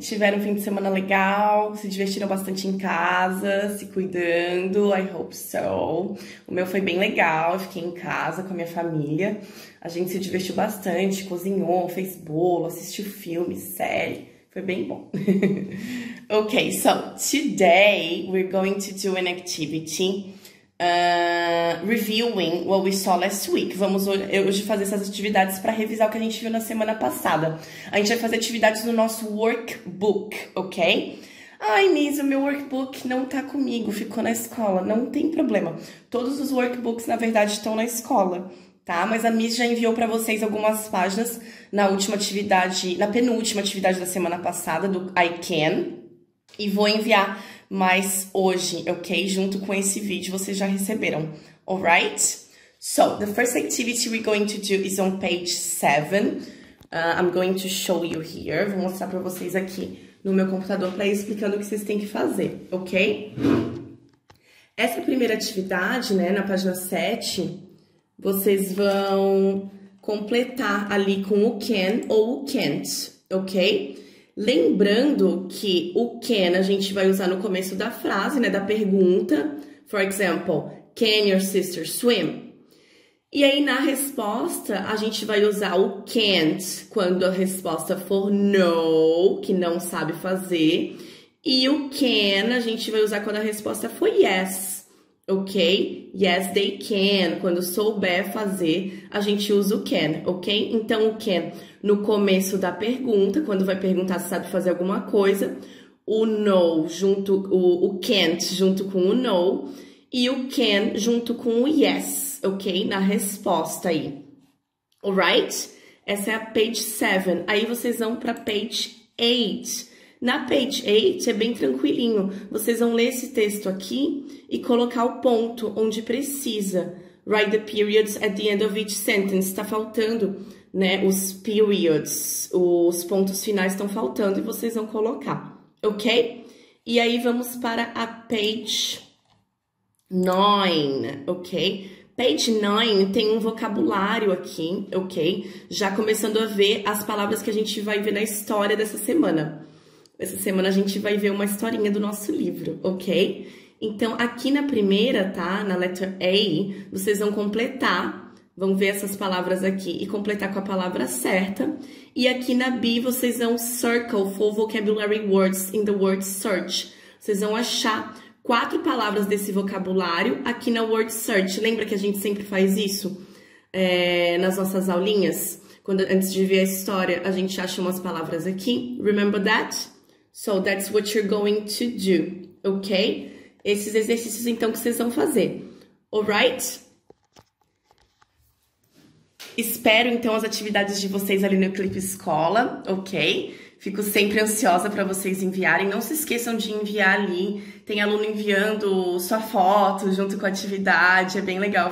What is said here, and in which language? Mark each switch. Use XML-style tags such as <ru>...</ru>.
<pt>Tiveram um fim de semana legal? Se divertiram bastante em casa, se cuidando?</pt> <en>I hope so.</en> <pt>O meu foi bem legal. Eu fiquei em casa com a minha família. A gente se divertiu bastante, cozinhou, fez bolo, assistiu filme, série. Foi bem bom.</pt> <en>Okay, so today we're going to do an activity. Reviewing what we saw last week.</en> <pt>Vamos hoje fazer essas atividades para revisar o que a gente viu na semana passada. A gente vai fazer atividades no nosso workbook, ok? Ai, Miss, o meu workbook não tá comigo, ficou na escola. Não tem problema. Todos os workbooks, na verdade, estão na escola, tá? Mas a Miss já enviou para vocês algumas páginas na última atividade, na penúltima atividade da semana passada, do I Can, e vou enviar. Mas hoje, ok? Junto com esse vídeo, vocês já receberam.</pt> <en>Alright? So, the first activity we're going to do is on page 7. I'm going to show you here.</en> <pt>Vou mostrar para vocês aqui no meu computador para ir explicando o que vocês têm que fazer, ok? Essa primeira atividade, né, na página 7, vocês vão completar ali com o can ou o can't, ok? Lembrando que o can a gente vai usar no começo da frase, né, da pergunta.</pt> <en>For example, can your sister swim?</en> <pt>E aí na resposta a gente vai usar o can't quando a resposta for no, que não sabe fazer. E o can a gente vai usar quando a resposta for yes, ok?</pt> <en>Yes, they can.</en> <pt>Quando souber fazer, a gente usa o can, ok? Então o can. No começo da pergunta, quando vai perguntar se sabe fazer alguma coisa, o no junto o can't junto com o no e o can junto com o yes, ok? Na resposta aí.</pt> <en>Alright?</en> <pt>Essa é a page 7. Aí vocês vão para page 8. Na page 8 é bem tranquilinho. Vocês vão ler esse texto aqui e colocar o ponto onde precisa.</pt> <en>Write the periods at the end of each sentence.</en> <pt>Está faltando. Né, os periods, os pontos finais estão faltando e vocês vão colocar, ok? E aí vamos para a page 9, ok? Page 9 tem um vocabulário aqui, ok? Já começando a ver as palavras que a gente vai ver na história dessa semana. Essa semana a gente vai ver uma historinha do nosso livro, ok? Então, aqui na primeira, tá? Na letra A, vocês vão completar. Vão ver essas palavras aqui e completar com a palavra certa. E aqui na B vocês vão</pt> <en>circle for vocabulary words in the word search.</en> <pt>Vocês vão achar quatro palavras desse vocabulário aqui na word search. Lembra que a gente sempre faz isso nas nossas aulinhas? Quando antes de ver a história, a gente acha umas palavras aqui.</pt> <en>Remember that? So that's what you're going to do, ok?</en> <pt>Esses exercícios então que vocês vão fazer.</pt> <en>Alright?</en> <pt>Espero então as atividades de vocês ali no Clipe Escola, ok? Fico sempre ansiosa para vocês enviarem. Não se esqueçam de enviar ali. Tem aluno enviando sua foto junto com a atividade. É bem legal.</pt>